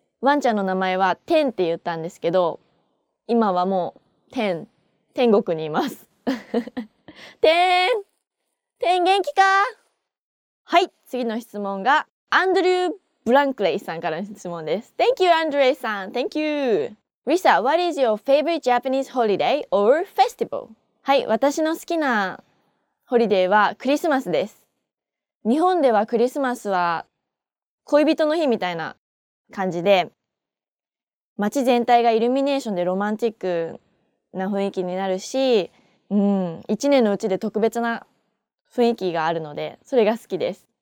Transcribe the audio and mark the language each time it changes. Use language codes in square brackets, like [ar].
[ja] ワンちゃんの名前はテンって言ったんですけど、今はもうテン、天国にいます。テン、テン元気か？はい、次の質問がアンドリュー・ブランクレイさんからの質問です。 [en] Thank you, Andre さん。Thank you. Risa, what is your favorite Japanese holiday or festival? [ja] はい、私の好きなホリデーはクリスマスです。日本ではクリスマスは恋人の日みたいな感じで、街全体がイルミネーションでロマンチックな雰囲気になるし、一年のうちで特別な雰囲気があるので、それが好きです。